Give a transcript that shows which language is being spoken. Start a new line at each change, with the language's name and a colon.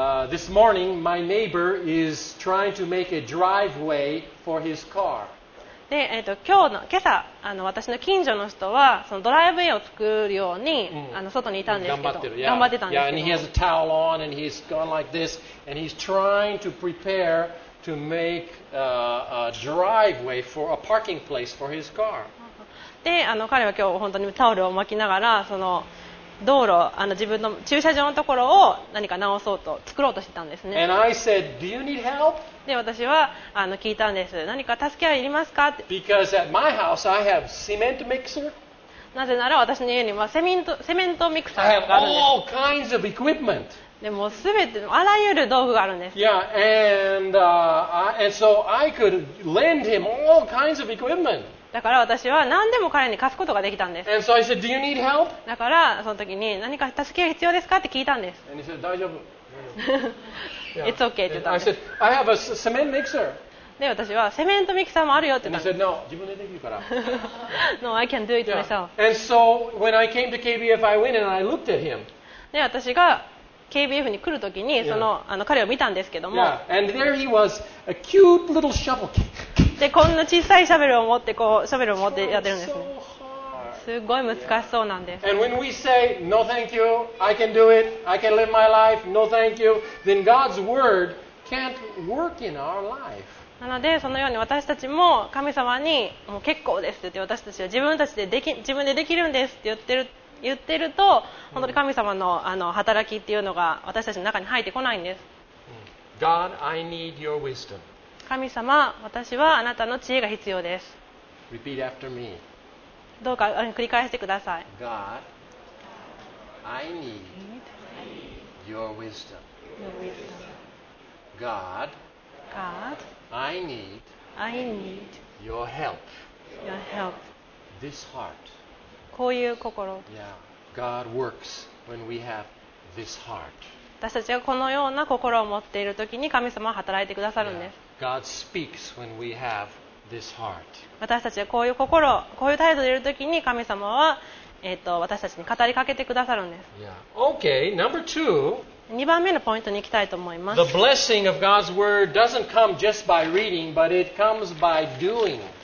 English: This morning, my neighbor is trying to make a driveway for his car.
Japanese: で今朝私の近所の人はそのドライブウェイを作るように、うん、外にいたんですけど頑張ってたんですけど
English: yeah, and he has a towel on and he's gone like this and he's trying to prepare to make a driveway for a parking place for his car.
Japanese: で彼は今日本当にタオルを巻きながらその道路自分の駐車場のところを何か直そうと作ろうとしてたんですね。
English: And I said, Do you need help?
Japanese: で私は聞いたんです。何か助けはいりますかって。
English: Because at my house I have cement mixer.
Japanese: なぜなら私の家にはセメントミクサーがあるんです。
English: I have all kinds of equipment.
Japanese: でも全てあらゆる道具があるんです。
English: Yeah, and so I could lend him all kinds of equipment.
Japanese: だから私は何でも彼に貸すことができたんです。
English: And so、I said, Do you need help?
Japanese: だからその時に何か助けが必要ですかって聞いたんです。
English: And he said,
Japanese: 大丈夫。
English: Yeah. It's okay
Japanese: って言ったんです。
English: And、I said, I have a cement mixer.
Japanese: で私はセメントミキサーもあるよって言ったんです。
English: And he said, No,
Japanese: 自分でできるから。
English: No, I can do it myself. Yeah. And so when I came to KBF, I went and I looked at him.
Japanese: で私がKBF に来るときにその、yeah. 彼を見たんですけども、
English: yeah. And there he was, a cute little shovel.
Japanese: でこんな小さいシャベルを持ってこうシャベルを持ってやってるんですね。すごい難しそうなんです。
English: Yeah. And when we say no thank you, I can do it, I can live my life, no thank you, then God's word can't work in our life.
Japanese: なのでそのように私たちも神様にもう結構ですって言って私たちは自分たちで自分でできるんですって言ってると本当に神様の働きっていうのが私たちの中に入ってこないんです。
English: God, I need your wisdom.
Japanese: 神様、私はあなたの知恵が必要です。
English: Repeat after me.
Japanese: どうか繰り返してください。
English: God, I need your wisdom. God, I need your help. Your help. This heart.
Japanese: こういう心。
English: Yeah. God works when we have this heart.
Japanese: 私たちがこのような心を持っているときに神様は働いてくださるんです。
English: Yeah. God speaks when we have this heart.
Japanese: 私たちがこういう心、こういう態度でいるときに神様は、私たちに語りかけてくださるんです。
English: Yeah. Okay. Number two,
Japanese: 2番目のポイントに行きたいと思います。
English: The blessing of God's word doesn't come just by reading, but it comes by doing.